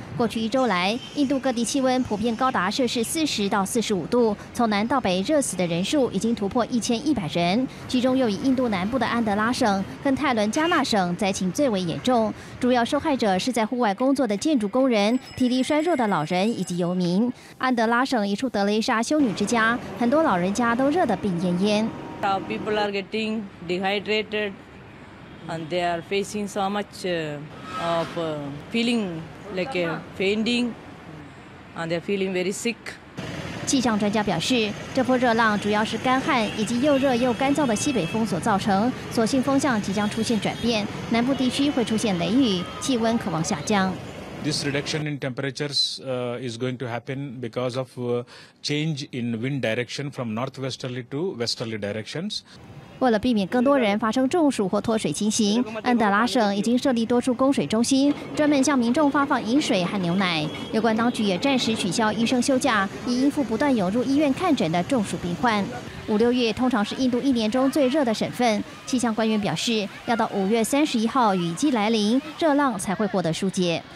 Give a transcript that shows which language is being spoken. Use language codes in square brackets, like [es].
[zh] 过去一周来，印度各地气温普遍高达摄氏40到45度，从南到北热死的人数已经突破1100人，其中又以印度南部的安德拉省跟泰伦加纳省灾情最为严重，主要受害者是在户外工作的建筑工人、体力衰弱的老人以及游民。安德拉省一处德雷莎修女之家，很多老人家都热得病恹恹。 [en] Our people are getting dehydrated, and they are facing so much of feeling. Like fainting, and they're feeling very sick. [zh] 气象专家表示，这波热浪主要是干旱以及又热又干燥的西北风所造成。所幸风向即将出现转变，南部地区会出现雷雨，气温可望下降。 [en] This reduction in temperatures is going to happen because of change in wind direction from northwesterly to westerly directions. [zh] 为了避免更多人发生中暑或脱水情形，安德拉省已经设立多处供水中心，专门向民众发放饮水和牛奶。有关当局也暂时取消医生休假，以应付不断涌入医院看诊的中暑病患。 5、6月通常是印度一年中最热的省份，气象官员表示，要到5月31号雨季来临，热浪才会获得疏解。